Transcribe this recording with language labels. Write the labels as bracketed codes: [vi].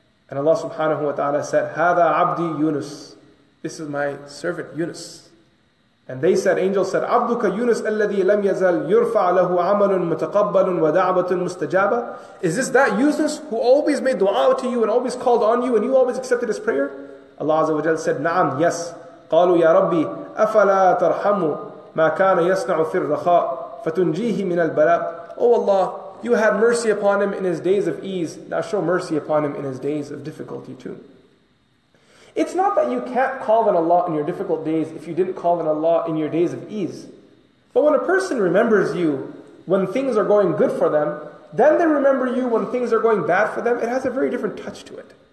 [en] And Allah subhanahu wa ta'ala said, [ar] هذا عبدي يونس, [en] this is my servant Yunus. And they said, angels said, [ar] عبدك يونس الذي لم يزل يرفع له عمل متقبل ودعوة مستجابة, [en] is this that Yunus who always made dua to you and always called on you and you always accepted his prayer? Allah azza wa jal said, نعم, yes. [ar] قالوا يا ربي أفلا ترحم ما كان يصنع في الرخاء فتنجيه من البلاء. [en] Oh Allah, you had mercy upon him in his days of ease. Now show mercy upon him in his days of difficulty too. It's not that you can't call on Allah in your difficult days if you didn't call on Allah in your days of ease. But when a person remembers you when things are going good for them, then they remember you when things are going bad for them, it has a very different touch to it.